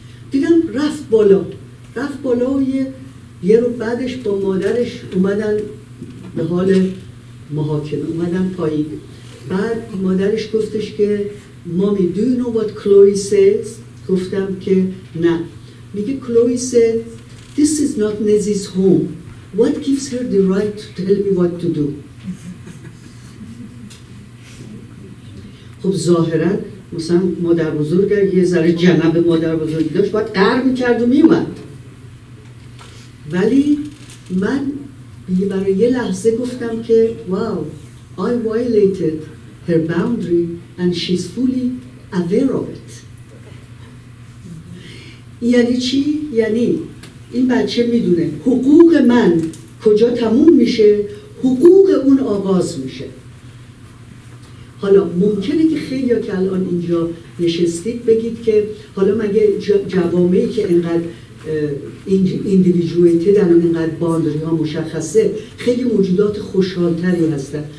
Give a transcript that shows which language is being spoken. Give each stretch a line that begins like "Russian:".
Persian: دیدم رفت بالا و یه رو بعدش با مادرش اومدن به حال محاکمه، اومدن پایین. بعد مادرش گفتش که مامی
English: do you know what Chloe says؟
Persian: گفتم که نه. میگه
English: Chloe said this is not Nezzy's home. What gives her the right to tell me what to do?
Persian: خب ظاهرن مثلا مادر بزرگ یه ذره جنب مادر بزرگ داشت، باید قهر میکرد و میومد. ولی من برای یه لحظه گفتم که واو،
English: I violated her boundary and she's fully aware of it.
Persian: یعنی چی؟ یعنی این بچه میدونه حقوق من کجا تموم میشه، حقوق اون آغاز میشه. حالا ممکنه که خیلی ها که الان اینجا نشستید بگید که حالا مگه جوامعی که اینقدر اندیویجویتد هم اینقدر باندری ها مشخصه خیلی موجودات خوشحالتری هستن.